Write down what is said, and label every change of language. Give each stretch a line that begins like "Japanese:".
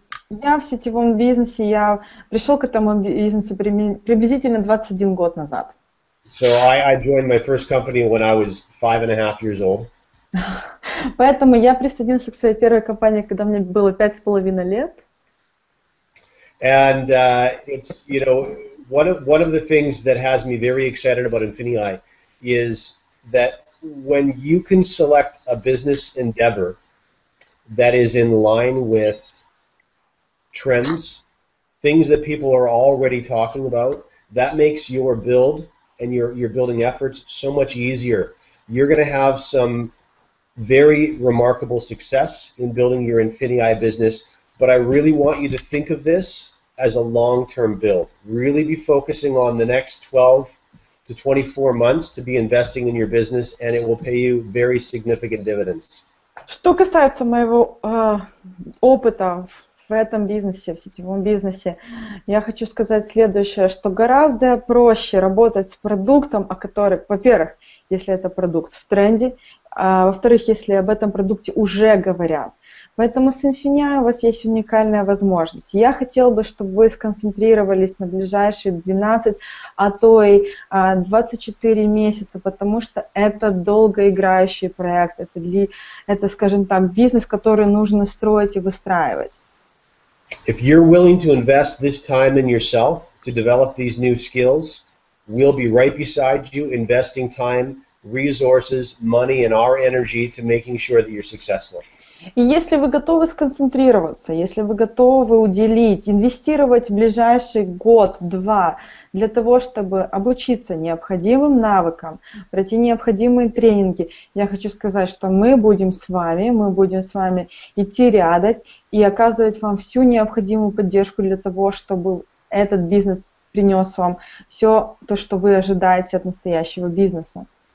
Russian: Я в сетевом бизнесе, я пришел к этому бизнесу приблизительно 21 год назад.
English: So I joined my first company when I was 5.5 years old.
Russian: Поэтому я присоединился к своей первой компании, когда мне было 5.5 лет.
English: And it's, you know, one of the things that has me very excited about Infinii is that when you can select a business endeavor that is in line with trends, things that people are already talking about, that makes your build and your building efforts so much easier. You're going to have some very remarkable success in building your Infinii business, but I really want you to think of this as a long-term build. Really be focusing on the next 12 to 24 months to be investing in your business, and it will pay you very significant dividends.
Russian: Что касается моего опыта в этом бизнесе, в сетевом бизнесе, я хочу сказать следующее, что гораздо проще работать с продуктом, о котором, во-первых, если это продукт в тренде, во-вторых, если об этом продукте уже говорят. Поэтому с Infinii у вас есть уникальная возможность. Я хотела бы, чтобы вы сконцентрировались на ближайшие 12, а то и 24 месяца, потому что это долгоиграющий проект, это, скажем так, бизнес, который нужно строить и выстраивать.
English: If you're willing to invest this time in yourself to develop these new skills, we'll be right beside you investing time, resources, money, and our energy to making sure that you're successful.
Russian: И если вы готовы сконцентрироваться, если вы готовы уделить, инвестировать в ближайший год-два для того, чтобы обучиться необходимым навыкам, пройти необходимые тренинги, я хочу сказать, что мы будем с вами идти рядом и оказывать вам всю необходимую поддержку для того, чтобы этот бизнес принес вам все то, что вы ожидаете от настоящего бизнеса.